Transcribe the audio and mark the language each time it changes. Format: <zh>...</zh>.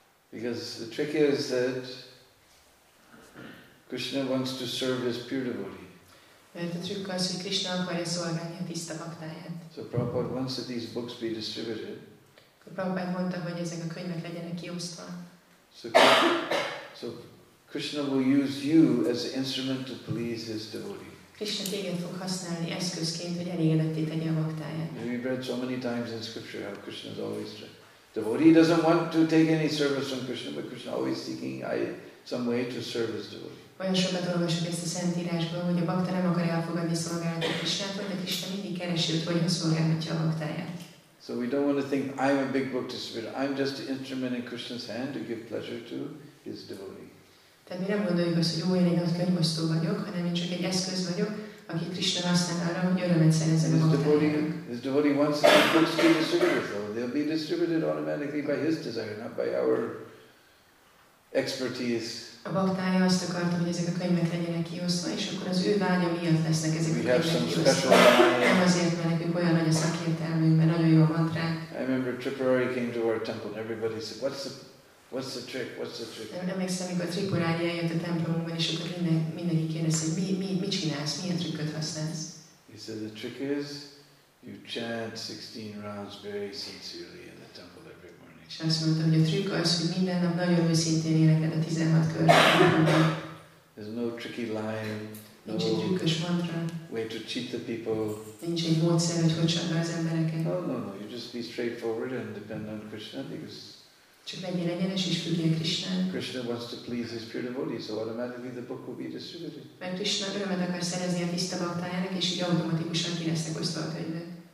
<en>Because the trick is that Krishna wants to serve his pure devotee.</en> <hu>Mert a trükk az, hogy Krishna akarja szolgálni a tiszta baktáját.</hu> <en>So Prabhupada wants that these books be distributed.</en> <hu>Akkor Prabhupada mondta, hogy ezek a könyvek legyenek kiosztva.</hu> <en>So Krishna will use you as an instrument to please his devotee.</en> <hu>Krishna téged fog használni eszközként, hogy elégedetté tegye a baktáját.</hu> <en>We've read so many times in scripture how Krishna is always trying. Devotee doesn't want to take any service from Krishna, but Krishna always seeking some way to serve his devotee.</en> <hu>Olyan sokat olvasok ezt a Szentírásból, hogy a bakta nem akar elfogadni szolgálatot Krishnától, de Krishna mindig keresi, hogy hogyan szolgálhatja a baktáját.</hu> <en>So we don't want to think I'm a big book distributor. I'm just an instrument in Krishna's hand to give pleasure to his devotee.</en> <hu>Tehát mi nem gondoljuk azt, hogy én egy nagy könyvosztó vagyok, hanem én csak egy eszköz vagyok, aki Krishna használ arra, hogy örömet szerezzen a baktájának.</hu> <en>His devotee wants the books to be distributed, so they'll be distributed automatically by his desire, not by our expertise.</en> <hu>A baktája azt akarta, hogy ezek a könyvek legyenek kiosztva, és akkor az ő vágya miatt lesznek ezek</hu> <en>we</en> <hu>a könyvek kiosztva. Nem azért, mert nekünk olyan nagy a szakértelmünk, mert nagyon jól van rá.</hu> <en>I remember Tripurari came to our temple and everybody said, what's the trick?</en> <hu>Nem emlékszem, amikor Tripurari eljött a templomunkban, és akkor mindenki kérdezte, hogy mit csinálsz, milyen trükköt használsz.</hu> <en>He said, the trick is, you chant 16 rounds very sincerely in the temple every morning.</en> <hu>És azt mondta, hogy a trükk az, hogy minden nap nagyon őszintén éneked a 16 kört.</hu> <en>There's no tricky line.</en> <hu>Nincs egy trükkös mantra.</hu> <en>Way to cheat the people.</en> <hu>Nincs egy módszer, hogy csapd az embereket.</hu> <en>No. You just be straightforward and depend on Krishna because.</en> <hu>Csak legyél egyenes és függj a Krishnán.</hu> <en>Krishna wants to please his pure devotee, so automatically the book will be distributed.</en> <hu>Mert Krishna örömet akar szerezni a tiszta baktájának, és így automatikusan ki lesznek osztva a könyvek.</hu>